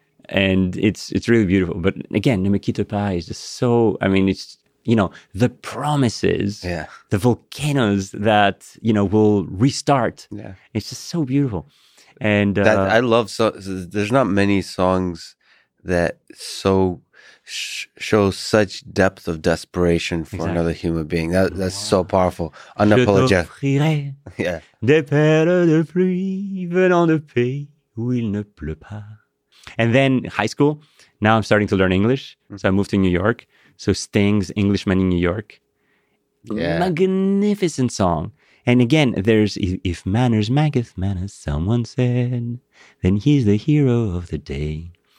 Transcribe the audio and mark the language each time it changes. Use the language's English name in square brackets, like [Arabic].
[English] And it's really beautiful. But again, Namakita Pa is just so, I mean, it's, you know, the promises, the volcanoes that, you know, will restart. Yeah. It's just so beautiful. And that, I love, so there's not many songs that show such depth of desperation for another human being. That's so powerful. Unapologetic. Yeah. [French] Des perles de pluie venant de pays où il ne pleut pas. [English] And then high school, now I'm starting to learn English. Mm-hmm. So I moved to New York. So Sting's Englishman in New York. Yeah. Magnificent song. And again, there's If Manners Maketh Manners, someone said, then he's the hero of the day.